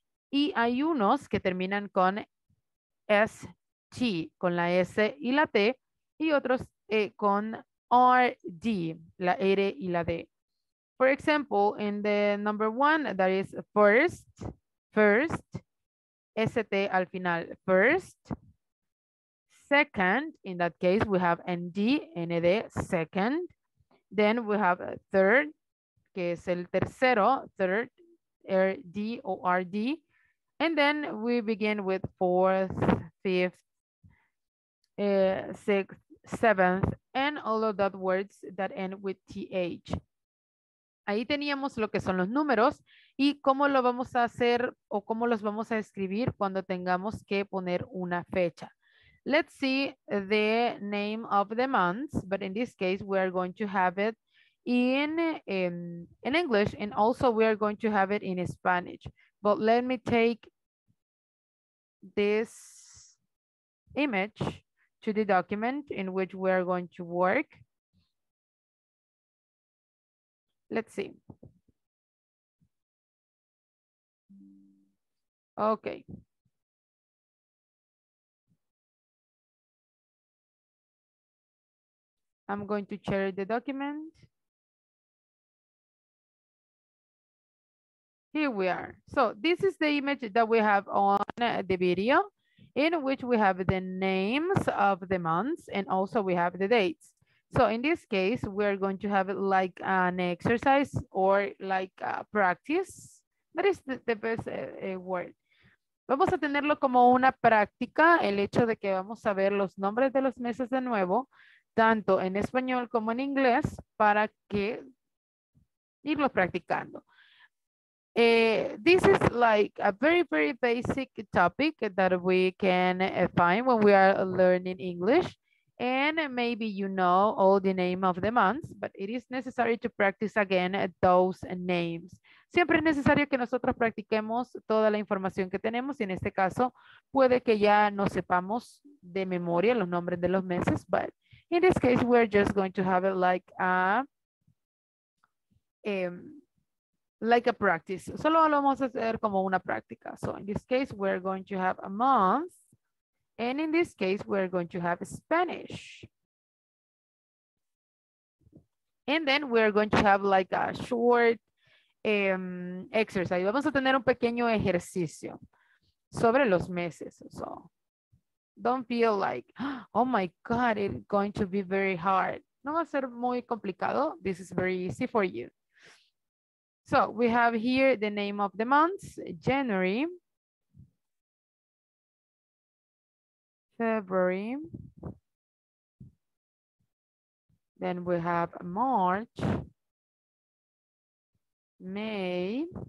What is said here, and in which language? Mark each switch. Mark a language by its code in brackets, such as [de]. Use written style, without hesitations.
[es] Y hay unos que terminan con ST, con la S y la T, y otros con RD, la R y la D. [en] For example, in the number one, that is first, first, ST al final, first. Second, in that case, we have ND, ND, second. Then we have third, [es] que es el tercero, [en] third, RD o RD. And then we begin with fourth, fifth, sixth, seventh, and all of those words that end with TH. [es] Ahí teníamos lo que son los números y cómo lo vamos a hacer o cómo los vamos a escribir cuando tengamos que poner una fecha. [en] Let's see the name of the month, but in this case, we are going to have it in English, and also we are going to have it in Spanish. But let me take this image to the document in which we are going to work. Let's see. Okay. I'm going to share the document. Here we are. So this is the image that we have on the video, in which we have the names of the months and also we have the dates. So in this case, we're going to have like an exercise or like a practice. That is the best word. [es] Vamos a tenerlo como una práctica, el hecho de que vamos a ver los nombres de los meses de nuevo, tanto en español como en inglés, para que irlo practicando. [en] This is like a very, very basic topic that we can find when we are learning English. And maybe you know all the name of the months, but it is necessary to practice again those names. [es] Siempre es necesario que nosotros practiquemos toda la información que tenemos. Y en este caso, puede que ya no sepamos de memoria los nombres de los meses, [en] but in this case, we're just going to have it like a practice. [es] Solo lo vamos a hacer como una práctica. [en] So in this case, we're going to have a month. And in this case, we're going to have Spanish. And then we're going to have like a short exercise. [es] Vamos a tener un pequeño ejercicio sobre los meses. [en] So don't feel like, oh my God, it's going to be very hard. [es] No va a ser muy complicado. [en] This is very easy for you. So we have here the name of the months, January, February, then we have March, May,